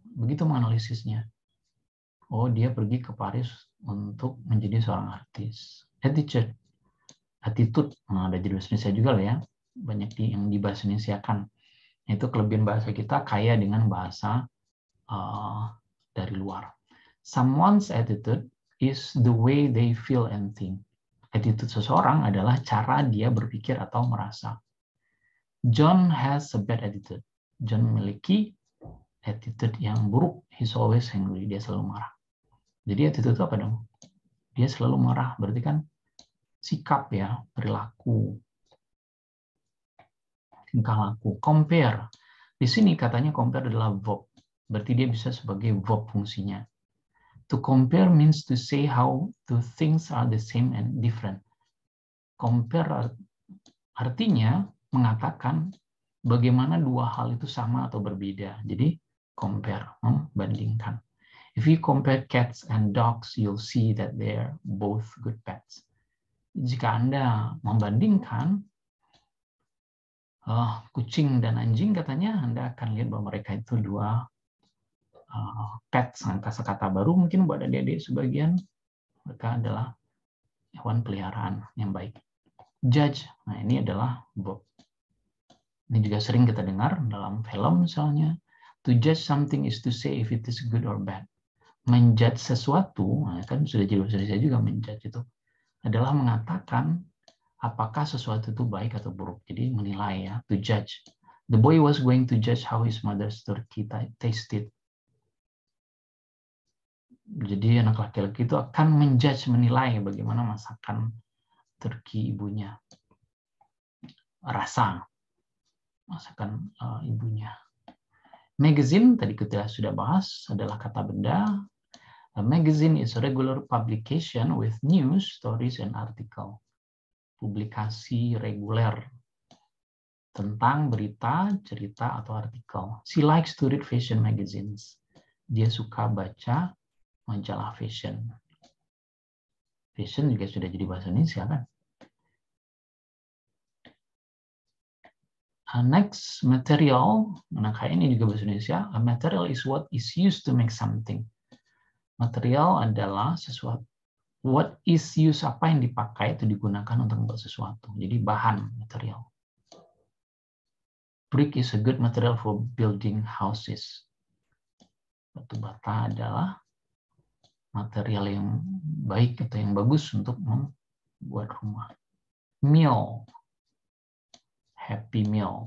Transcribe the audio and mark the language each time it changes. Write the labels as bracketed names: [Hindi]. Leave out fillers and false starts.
[Indonesian] Begitu menganalisisnya. Oh, dia pergi ke Paris untuk menjadi seorang artis. Attitude. Attitude. Nah, ada jenis Indonesia juga lah ya. Banyak yang dibahas Indonesia kan. Itu kelebihan bahasa kita kaya dengan bahasa dari luar. [English] Someone's attitude is the way they feel and think. [Indonesian] Attitude seseorang adalah cara dia berpikir atau merasa. [English] John has a bad attitude. [Indonesian] John memiliki attitude yang buruk. [English] He's always angry. [Indonesian] Dia selalu marah. Jadi attitude itu apa dong? Dia selalu marah. Berarti kan sikap ya, perilaku, tingkah laku. Compare. Di sini katanya compare adalah verb. Berarti dia bisa sebagai verb fungsinya. [English] To compare means to say how two things are the same and different. [Indonesian] Compare artinya mengatakan bagaimana dua hal itu sama atau berbeda. Jadi compare, membandingkan. [English] If you compare cats and dogs, you'll see that they're both good pets. [Indonesian] Jika Anda membandingkan kucing dan anjing, katanya Anda akan lihat bahwa mereka itu dua pets, kata-kata baru mungkin buat adik-adik sebagian, mereka adalah hewan peliharaan yang baik. Judge, nah ini adalah verb. Ini juga sering kita dengar dalam film misalnya. [English] To judge something is to say if it is good or bad. [Indonesian] Menjudge sesuatu, nah kan sudah jelas saya juga menjudge itu, adalah mengatakan apakah sesuatu itu baik atau buruk. Jadi menilai ya, to judge. [English] The boy was going to judge how his mother's turkey tasted. [Indonesian] Jadi anak laki-laki itu akan menjudge, menilai bagaimana masakan turki ibunya. Rasa masakan ibunya. Magazine, tadi kita sudah bahas, adalah kata benda. [English] A magazine is a regular publication with news, stories, and article. [Indonesian] Publikasi reguler tentang berita, cerita, atau artikel. [English] She likes to read fashion magazines. [Indonesian] Dia suka baca majalah fashion. Fashion juga sudah jadi bahasa Indonesia, kan? A next, material. Nah, ini juga bahasa Indonesia. [English] A material is what is used to make something. [Indonesian] Material adalah sesuatu. [English] What is used, [Indonesian] apa yang dipakai itu digunakan untuk membuat sesuatu. Jadi bahan, material. [English] Brick is a good material for building houses. [Indonesian] Batu bata adalah material yang baik atau yang bagus untuk membuat rumah. Meal. Happy meal.